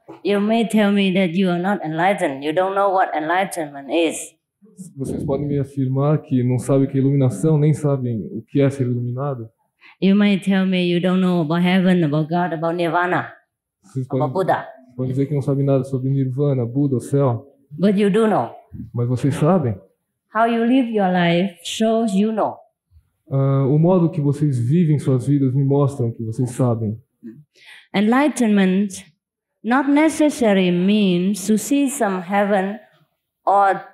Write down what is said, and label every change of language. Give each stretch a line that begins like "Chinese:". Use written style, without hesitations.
English: You may tell me that you are not enlightened. You don't know what enlightenment is.
Portuguese: Vocês podem me afirmar que não sabem o que é iluminação, nem sabem o que é ser iluminado.
English: You may tell me you don't know about heaven, about God, about Nirvana, about Buddha.
Portuguese: Pode dizer que não sabem nada sobre Nirvana, Buda, o céu.
English: But you do know.
Portuguese: Mas vocês sabem.
English: How you live your life shows you know.
Portuguese: O modo que vocês vivem suas vidas me mostram que vocês sabem.
English: Enlightenment not necessarily means to see some heaven or